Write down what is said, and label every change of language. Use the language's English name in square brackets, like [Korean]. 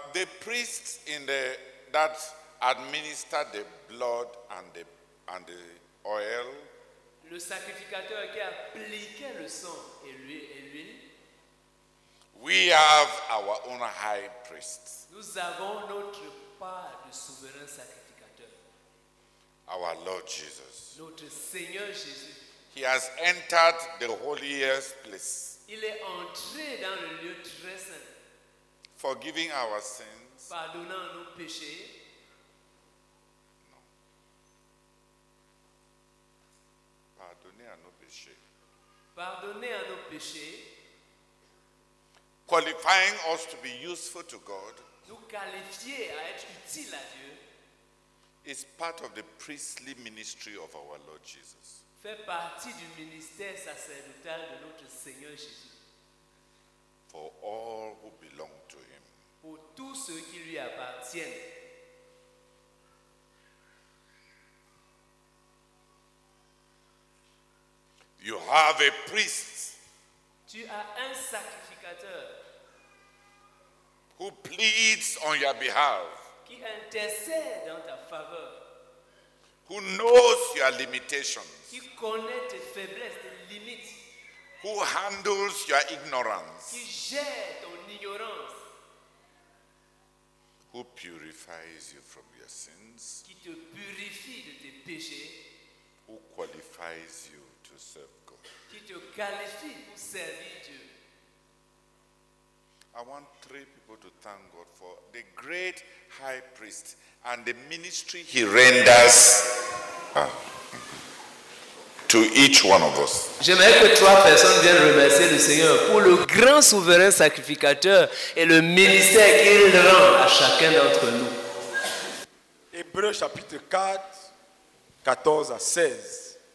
[English] The priests in the that administered the blood and the oil. [French] Le sacrificateur qui appliquait le sang et l'huile. [English] We have our own high priest. [French] Nous avons notre part de souverain sacrificateur. [English] Our Lord Jesus. [French] Notre Seigneur Jésus. [English] He has entered the holiest place. [French] Il est entré dans le lieu très saint. [English] Forgiving our sins. [French] Pardonnant nos péchés. Non. Pardonner à nos péchés. Pardonner à nos péchés. [English] Qualifying us to be useful to God. [French] Nous qualifier à être utile à Dieu. [English] Is part of the priestly ministry of our Lord Jesus. [French] Fait partie du ministère sacerdotal de notre Seigneur Jésus. [English] For all who belong to him. [French] Pour tous ceux qui lui appartiennent. [English] You have a priest. [French] Tu as un sacrificateur. [English] Who pleads on your behalf. [French] Qui intercède en ta faveur. [English] Who knows your limitations. [French] Qui connaît tes faiblesses, tes limites. [English] Who handles your ignorance? [French] Qui gère ton ignorance? [English] Who purifies you from your sins? [French] Qui te purifie de tes péchés? [English] Who qualifies you to serve God? [French] Qui te qualifie pour servir Dieu? [English] I want three people to thank God for the great high priest and the ministry he renders. To each one of us. [French] J'aimerais que trois personnes viennent remercier le Seigneur pour le grand souverain sacrificateur et le ministère qu'il rend à chacun d'entre nous. Hébreux chapitre 4, 14 à 16.